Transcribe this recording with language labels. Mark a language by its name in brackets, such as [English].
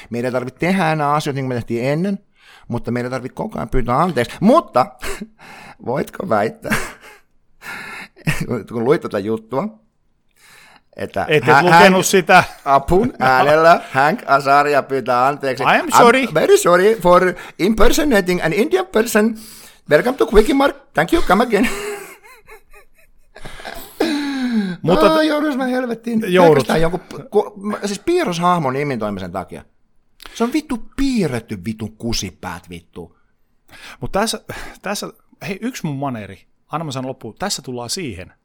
[Finnish] Meidän ei tarvitse tehdä enää asioita niin kuin me tehtiin ennen, mutta meidän ei tarvitse koko ajan pyytää anteeksi. Mutta voitko väittää, kun luit tätä juttua, että sitä. Apun äänellä Hank Azaria pyytää anteeksi. [English] I am sorry. I'm very sorry for impersonating an Indian person. Welcome to Quickie Mark. Thank you, come again. [Finnish] Mutta joudus mä helvettiin. Joudut. Siis piirroshahmon imitoimisen takia. Se on vittu piirretty vitun kusipäät vittu. Mutta tässä, hei yksi mun maneeri. Anna mä sanon loppuun. Tässä tullaan siihen.